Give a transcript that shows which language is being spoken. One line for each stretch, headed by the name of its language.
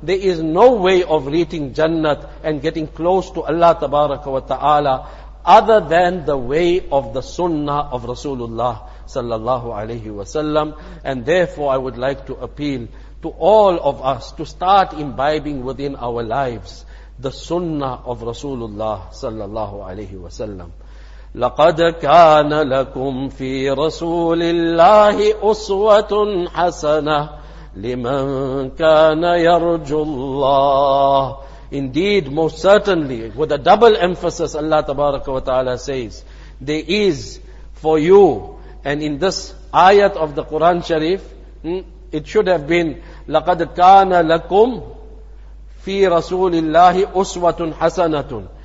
English: There is no way of reaching Jannat and getting close to Allah tabaraka wa ta'ala other than the way of the Sunnah of Rasulullah sallallahu alayhi wa sallam. And therefore I would like to appeal to all of us to start imbibing within our lives the Sunnah of Rasulullah sallallahu alayhi wa sallam.
Arabic: لقد كان لكم في رسول الله أسوة حسنة لمن كان يرجو الله.
English: Indeed, most certainly, with a double emphasis, Allah Tabaraka wa Ta'ala says, there is for you, and in this ayat of the Quran Sharif, it should have been,
Arabic: لقد كان لكم في رسول الله أسوة حسنة.